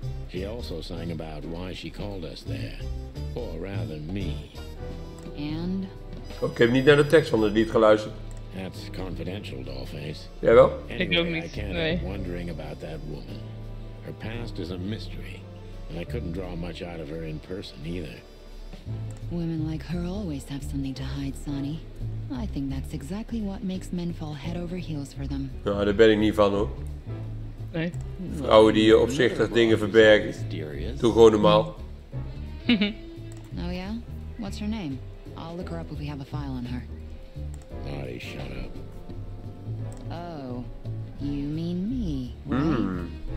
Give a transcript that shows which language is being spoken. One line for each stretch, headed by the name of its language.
English: She also sang about why she called us there. Or rather, me. And?
Dutch: Oh, ik heb niet naar de tekst van het lied geluisterd.
English: That's confidential, Dollface.
Dutch: Jawel. Anyway, ik ook niet.
English: I can't help wondering about that woman. Her past is a mystery. And I couldn't draw much out of her in person, either. Women like her always have something to hide, Sonny. I think that's exactly what makes men fall head over heels for them.
Dutch: Ja, daar ben ik niet van, hoor. Nee. Vrouwen die opzichtig dingen verbergen. Doe gewoon normaal.
English: Oh yeah? What's her name? I'll look her up if we have a file on her. Body, shut up. Oh, you mean me, right? Mm.